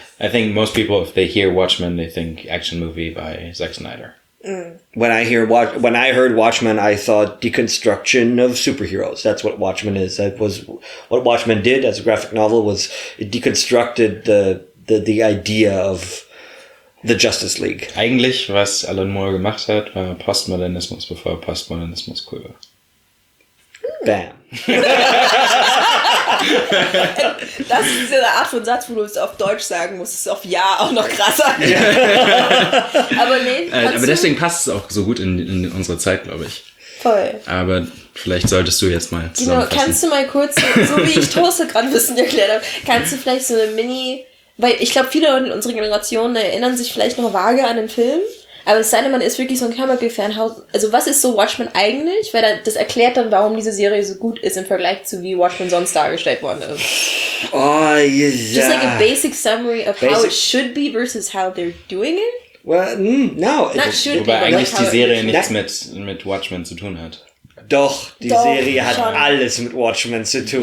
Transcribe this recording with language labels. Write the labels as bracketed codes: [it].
[en] I think most people, if they hear Watchmen, they think action movie by Zack Snyder. Mm. When I hear when I heard Watchmen, I thought deconstruction of superheroes. That's what Watchmen is. That was what Watchmen did as a graphic novel, was it deconstructed the idea of the Justice League. [de] Eigentlich, was Alan Moore gemacht hat, war Postmodernismus bevor Postmodernismus cool war. Bam. Das ist diese Art von Satz, wo du es auf Deutsch sagen musst, ist auf Ja auch noch krasser. Aber deswegen passt es auch so gut in unsere Zeit, glaube ich. Voll. Aber vielleicht solltest du jetzt mal zusammenfassen. Genau, kannst du mal kurz, so wie ich Tulsa gerade wissen erklärt habe, kannst du vielleicht so eine Mini, weil ich glaube, viele in unserer Generation erinnern sich vielleicht noch vage an den Film. Aber es sei denn, man ist wirklich so ein Comic-Fan. Also was ist so Watchmen eigentlich? Weil das erklärt dann, warum diese Serie so gut ist im Vergleich zu wie Watchmen sonst dargestellt worden ist. [en] Oh, yeah. Just like a basic summary of basic. How it should be versus how they're doing it? Well, no. Not should [de] wobei [en] be, [de] eigentlich like die Serie nichts mit Watchmen zu tun hat. Doch, die doch, Serie schon. Hat alles mit Watchmen zu tun.